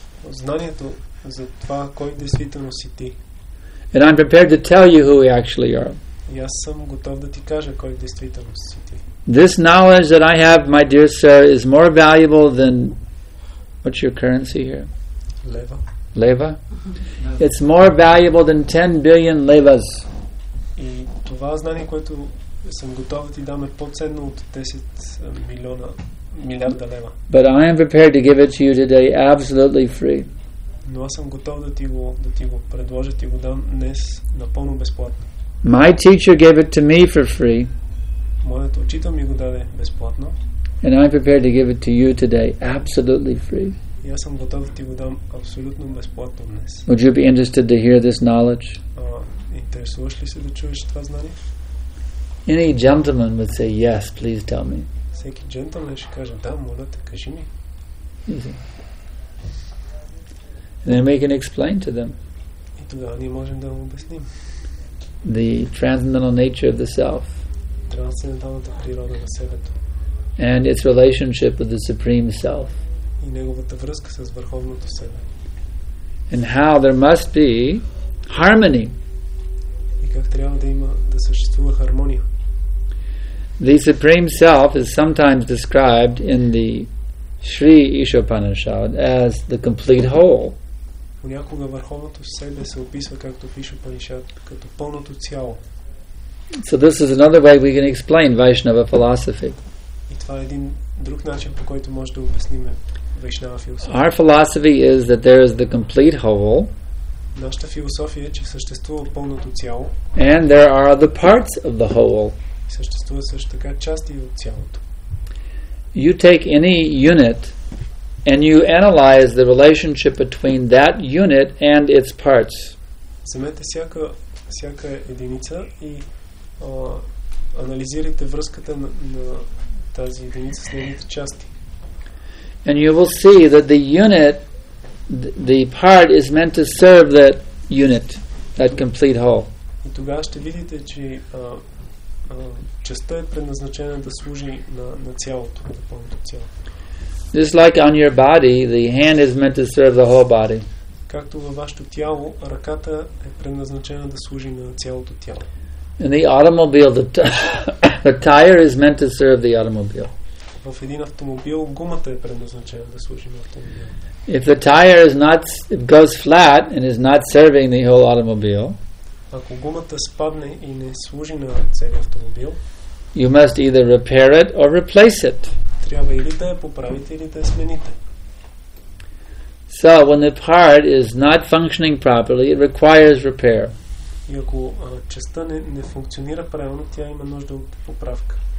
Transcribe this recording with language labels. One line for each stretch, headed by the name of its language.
Bulgarian: Знанието за това кой действително си ти.
English: And I'm prepared to tell you who we actually are.
Bulgarian: И аз съм готов да ти кажа кой действително си ти.
English: This knowledge that I have, my dear sir, is more valuable than what's your currency here?
Bulgarian: Лева.
English: Лева? It's more valuable than 10 billion левас.
Bulgarian: И това знание, което съм готов да ти дам, е по-ценно от 10 милиона, милиарда лева.
English: But I am prepared to give it to you today absolutely free.
Bulgarian: Но аз съм готов да ти го предложа, ти го дам днес напълно безплатно.
English: My teacher gave it to me for free.
Bulgarian: Моят учител ми го даде безплатно.
English: And I'm prepared to give it to you today absolutely free.
Bulgarian: И аз съм готов да ти го дам абсолютно безплатно днес.
English: Would you be interested to hear this knowledge?
Bulgarian: Интересуваш ли се да чуеш това знание?
English: Any gentleman would say yes, please tell me.
Bulgarian: Всеки джентълмен ще каже да, моля те, кажи ми.
English: And then we can explain to them.
Bulgarian: И тогава ние можем да му обясним.
English: The transcendental nature of the self.
Bulgarian: Трансценденталната природа на себето.
English: And its relationship with the supreme self.
Bulgarian: И неговата връзка с върховното себе.
English: And how there must be harmony.
Bulgarian: И как трябва да има да съществува хармония.
English: The supreme self is sometimes described in the Sri Ishopanishad as the complete whole.
Bulgarian: Понякога върховното себе се описва както пише Панишад като пълното цяло.
English: So this is another way we can explain Vaishnava philosophy.
Bulgarian: И това е един друг начин по който може да обясним Вайшнава философия.
English: Our philosophy is that there is the complete whole.
Bulgarian: Нашата философия е, че съществува пълното цяло.
English: And there are the parts of the whole.
Bulgarian: И съществува също така части от цялото.
English: You take any unit and you analyze the relationship between that unit and its parts.
Bulgarian: Вземете всяка единица и анализирайте връзката на тази единица с нейните части.
English: And you will see that the unit, the part is meant to serve that unit, that complete whole.
Bulgarian: И тогава ще видите, че частта е предназначена да служи на цялото, на пълното цяло.
English: Just like on your body, the hand is meant to serve the whole body.
Bulgarian: Както във вашето тяло, ръката е предназначена да служи на цялото тяло.
English: In the automobile, the tire is meant to serve the automobile.
Bulgarian: В един автомобил гумата е предназначена да служи на автомобила.
English: If the tire is not, it goes flat and is not serving the whole automobile.
Bulgarian: Ако гумата спадне и не служи на целия автомобил,
English: you must either repair it or replace it.
Bulgarian: Трябва или да я поправите, или да я смените.
English: So, when the part is not functioning properly, it requires repair.
Bulgarian: И ако частта не функционира правилно, тя има нужда от поправка.